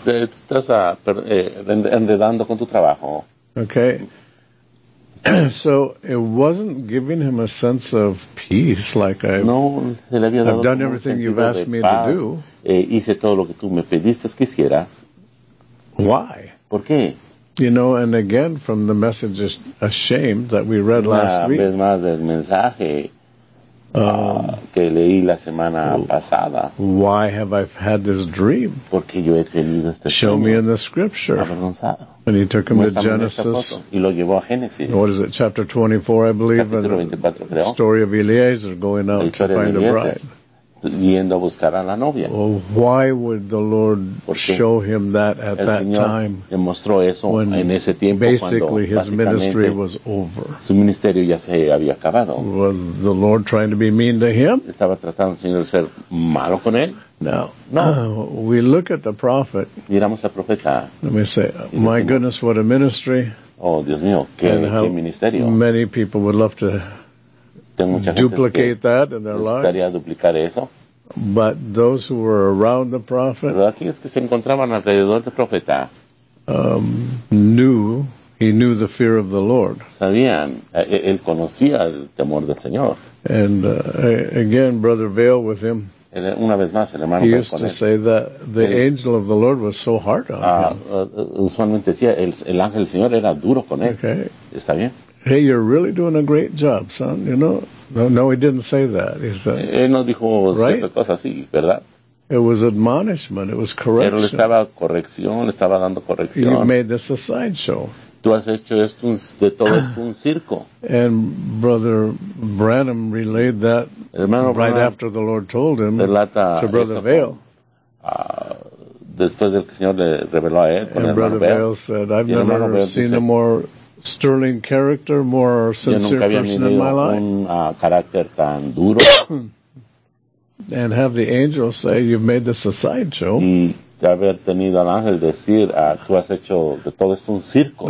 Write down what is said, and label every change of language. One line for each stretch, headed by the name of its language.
Spanish: Estás enredando con tu trabajo.
English: Okay. So it wasn't giving him a sense of peace, like I've done everything you've asked me to do.
Spanish: Hice todo lo que tú me pediste que hiciera.
English: Why?
Spanish: ¿Por qué?
English: You know, and again, from the message ashamed that we read last week.
Spanish: Una vez más del mensaje que leí la semana pasada.
English: Why have I had this dream?
Spanish: Porque yo he tenido este sueño.
English: Show me in the scripture.
Spanish: Avergonzado.
English: And he took him to Genesis.
Spanish: Y lo llevó a Génesis.
English: What is it, chapter 24, I believe?
Spanish: Capítulo 24, creo.
English: The story of Eliezer going out to find a bride.
Spanish: Yendo a buscar a la novia.
English: Well, why would the Lord show him that at
Spanish: el
English: that
Spanish: Señor
English: time?
Spanish: Le mostró eso when en ese tiempo,
English: basically
Spanish: cuando
English: his ministry was over.
Spanish: Su ministerio ya se había acabado.
English: Was the Lord trying to be mean to him?
Spanish: ¿Estaba tratando, Señor, de ser malo con él?
English: No.
Spanish: No.
English: We look at the prophet.
Spanish: Miramos al profeta.
English: Let me say, my goodness, what a ministry.
Spanish: Oh, Dios mío, qué ministerio.
English: Many people would love to duplicate that in their lives. But those who were around the prophet,
Spanish: pero aquellos que se encontraban alrededor del profeta,
English: he knew the fear of the Lord.
Spanish: Sabían, él conocía el temor del Señor.
English: And again, Brother Vail with him.
Spanish: Una vez más, el hermano
English: he used to say that the angel of the Lord was so hard on him.
Spanish: Usualmente decía el ángel del Señor era duro con él.
English: Okay.
Spanish: Está bien.
English: Hey, you're really doing a great job, son, you know? No, he didn't say that. He said,
Spanish: él no dijo right? Cierta cosa así, ¿verdad?
English: It was admonishment, it was correction.
Spanish: Pero le estaba dando corrección.
English: You made this a sideshow.
Spanish: Tú has hecho esto de todo esto un circo.
English: And Brother Branham relayed that right after the Lord told him to Brother Vail.
Spanish: Después del que el Señor le reveló a él,
English: and Brother Vail said, I've never seen a more sterling character, more sincere person in my life.
Spanish: Carácter tan duro.
English: And have the angel say, you've made this a sideshow.
Spanish: Y haber tenido al ángel decir, tú has hecho de todo esto un circo.